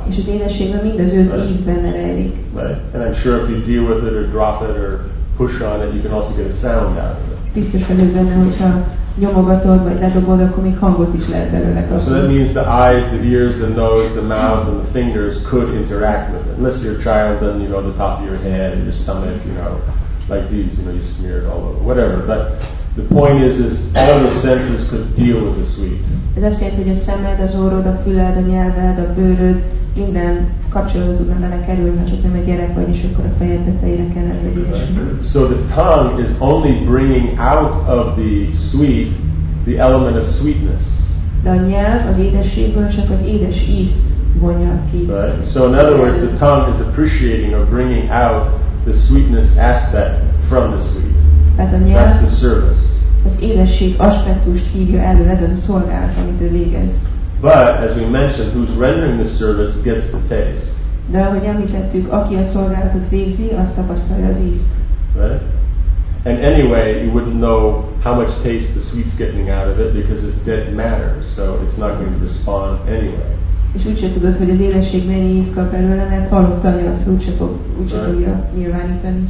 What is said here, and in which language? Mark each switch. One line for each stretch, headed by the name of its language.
Hungarian: És az édességben mind az öt íz benne rejlik.
English: Right? And I'm sure if you deal with it or drop it or push on it, you can also get a sound out of it.
Hungarian: Biztos vagyok benne, hogyha nyomogatod vagy ledobod, akkor még hangot is lehet belőle kapni.
English: So that means the eyes, the ears, the nose, the mouth, and the fingers could interact with it. Unless you're a child, then you know the top of your head and your stomach, you know. Like these, you know, you smear it all over, whatever. But the point is all the senses could deal with the sweet.
Hungarian: Ez azt jelenti, hogy a szemed, az orrod, a füled, a nyelved, a bőröd, minden kapcsolatot tudna vele kerülni, ha csak nem egy gyerek vagy, és akkor a fejed tetejére kellene legyen.
English: So the tongue is only bringing out of the sweet the element of sweetness.
Hungarian: De a nyelv az édességből csak az édes ízt vonja ki.
English: Right? So in other words, the tongue is appreciating or bringing out the sweetness aspect from the sweet. That's the service.
Hungarian: Az édesség aspektust hívja elő, ez az a szolgálat, amit ő végez.
English: But as we mentioned, who's rendering the service gets the taste.
Hungarian: De ahogy említettük, aki a szolgálatot végzi, azt tapasztalja az ízt.
English: And anyway, you wouldn't know how much taste the sweet's getting out of it because it's dead matter, so it's not going to respond anyway.
Hungarian: És úgyse tudod, hogy az édesség mennyi ízt kap előle, mert hallottan jön, azt úgyse tudja nyilvánítani.